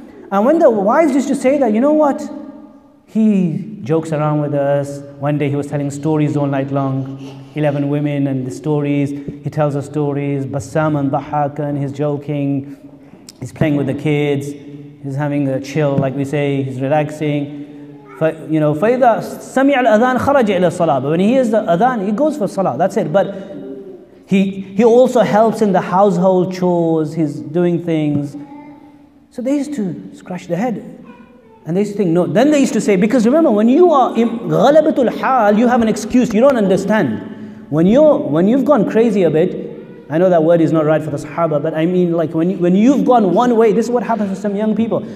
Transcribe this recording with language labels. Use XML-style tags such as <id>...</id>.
<en>And when the wives used to say that, you know what? He jokes around with us. One day he was telling stories all night long. 11 women and the stories. He tells us stories. Bassam and Dahakan, he's joking. He's playing with the kids. He's having a chill, like we say. He's relaxing. You know,</en> <ar>فَإِذَا سَمِعَ الْأَذَانِ خَرَجَ إِلَى الصَّلَاةِ.</ar> <en>But when he hears the adhan, he goes for salah. That's it. But he also helps in the household chores. He's doing things. So they used to scratch their head. And they used to think, no. Then they used to say, because remember, when you are in</en> <ar>غَلَبَةُ الْحَالِ,</ar> <en>you have an excuse. You don't understand. When you've gone crazy a bit, I know that word is not right for the Sahaba, but I mean, like, when you've gone one way, this is what happens to some young people.</en>